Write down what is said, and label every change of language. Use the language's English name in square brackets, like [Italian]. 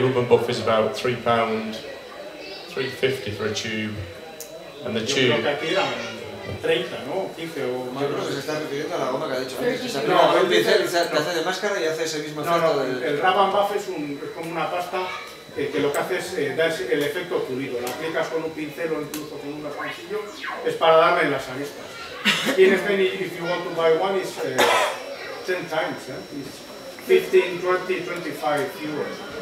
[English] UK, rub and buff is about £3, £3.50 for a tube, and the tube. [Spanish] Que lo que hace es dar el efecto pulido. Lo aplicas con un pincel o incluso con un pancillo, es para darle en las aristas. Y en [English] Spain, if you want to buy one, it's 10 times, it's 15, 20, 25 euros.